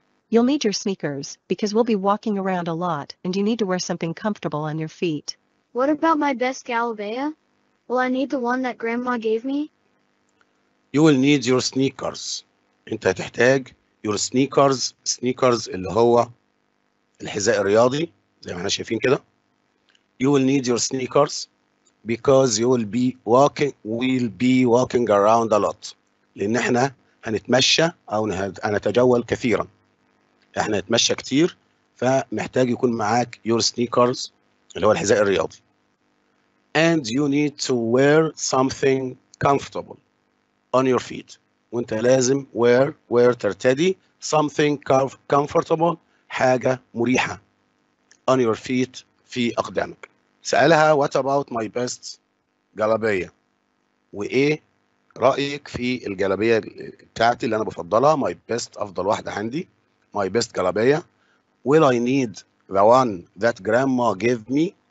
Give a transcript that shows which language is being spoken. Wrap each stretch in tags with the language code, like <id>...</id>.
<en>You'll need your sneakers because we'll be walking around a lot and you need to wear something comfortable on your feet. What about my best galabeya? Will I need the one that grandma gave me? You will need your sneakers.</en> <ar>انت هتحتاج</ar> <en>your sneakers.</en> <ar>Sneakers اللي هو الحذاء الرياضي زي ما احنا شايفين كده.</ar> <en>You will need your sneakers because you will be walking we'll be walking around a lot.</en> <ar>لان احنا هنتمشى او هنتجول كثيرا. احنا نتمشى كتير فمحتاج يكون معاك</ar> <en>your sneakers</en> <ar>اللي هو الحذاء الرياضي.</ar> <en>And you need to wear something comfortable on your feet.</en> <ar>وانت لازم wear ترتدي</ar> <en>something comfortable</en> <ar>حاجة مريحة</ar> <en>on your feet</en> <ar>في اقدامك. سألها</ar> <en>what about my best</en> <ar>جلابية؟ وايه رأيك في الجلابية بتاعتي اللي انا بفضلها</ar> <en>my best</en> <ar>افضل واحدة عندي.</ar> <en>My best galabeya. Will I need the one that grandma gave me?</en>